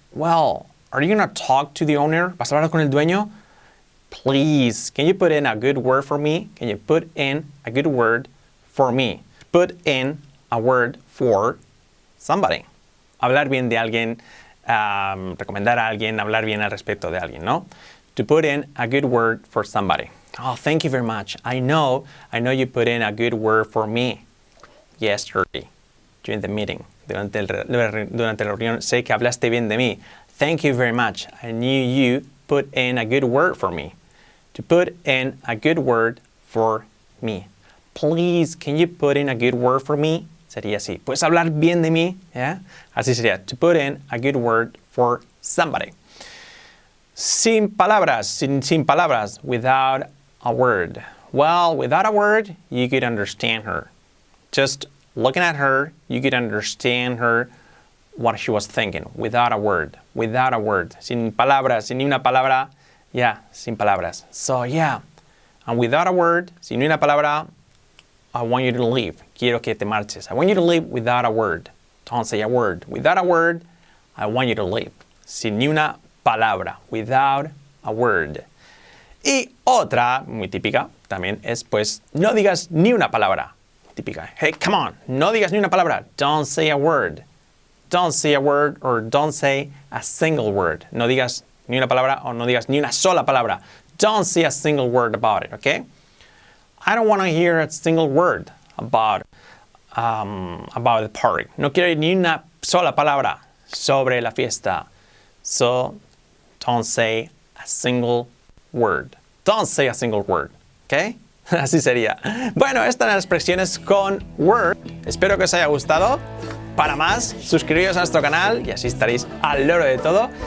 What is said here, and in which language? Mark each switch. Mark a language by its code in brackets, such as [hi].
[en] Well, are you going to talk to the owner? [es] ¿Vas a hablar con el dueño? [en] Please, can you put in a good word for me? Can you put in a good word for me? Put in a word for somebody. [es] Hablar bien de alguien, recomendar a alguien, hablar bien al respecto de alguien, ¿no? [en] To put in a good word for somebody. Oh, thank you very much. I know you put in a good word for me yesterday during the meeting. [es] Durante la reunión, sé que hablaste bien de mí. [en] Thank you very much. I knew you put in a good word for me. To put in a good word for me. Please, can you put in a good word for me? [es] Sería así. ¿Puedes hablar bien de mí? ¿Yeah? Así sería. [en] To put in a good word for somebody. [es] Sin palabras. [en] Without a word. Well, without a word, you could understand her. Just looking at her, you could understand her, what she was thinking. Without a word. Without a word. [es] Sin palabras. Sin ni una palabra. [en] Yeah, [es] sin palabras. [en] So, yeah. And without a word, [es] sin una palabra, [en] I want you to leave. [es] Quiero que te marches. [en] I want you to leave without a word. Don't say a word. Without a word, I want you to leave. [es] Sin una palabra. [en] Without a word. [es] Y otra, muy típica, también es, pues, no digas ni una palabra. Típica. [en] Hey, come on. [es] No digas ni una palabra. [en] Don't say a word. Don't say a word or don't say a single word. [es] No digas ni una palabra o no digas ni una sola palabra. [en] Don't say a single word about it, okay? I don't want to hear a single word about the party. [es] No quiero ni una sola palabra sobre la fiesta. [en] So, don't say a single word. Don't say a single word, okay? [es] Así sería. Bueno, estas son las expresiones con word. Espero que os haya gustado. Para más, suscribiros a nuestro canal y así estaréis al loro de todo.